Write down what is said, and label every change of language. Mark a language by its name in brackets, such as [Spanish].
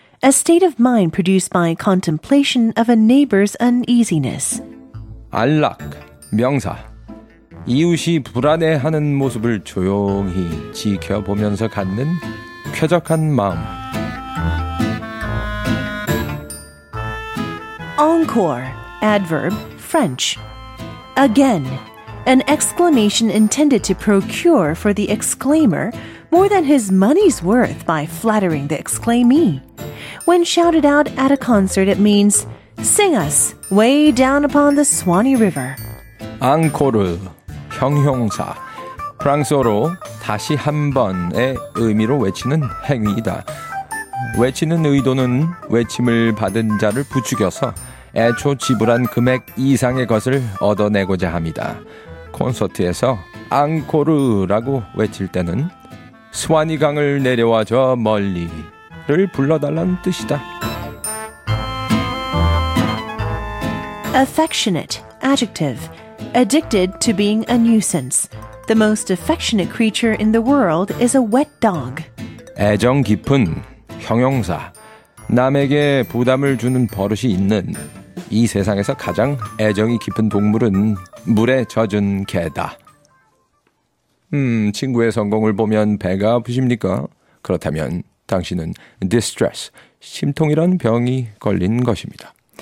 [English] A state of mind produced by contemplation of a neighbor's uneasiness. [Korean] 안락, 명사. 이웃이 불안해하는 모습을 조용히 지켜보면서 갖는 쾌적한 마음. [English] Encore, adverb, French. Again, an exclamation intended to procure for the exclaimer more than his money's worth by flattering the exclaimee. When shouted out at a concert, it means "Sing us way down upon the Swanee River." [Korean] Encore, 형용사, 프랑스어로 다시 한 번의 의미로 외치는 행위이다. 외치는 의도는 외침을 받은 자를 부추겨서 애초 지불한 금액 이상의 것을 얻어내고자 합니다. 콘서트에서 앙코르라고 외칠 때는 스와니강을 내려와 저 멀리. 를 불러달라는 뜻이다. [English] Affectionate, adjective, addicted to being a nuisance. The most affectionate creature in the world is a wet dog. [Korean] 애정 깊은, 형용사, 남에게 부담을 주는 버릇이 있는 이 세상에서 가장 애정이 깊은 동물은 물에 젖은 개다. 친구의 성공을 보면 배가 아프십니까? 그렇다면 당신은 distress, 심통이란 병이 걸린 것입니다.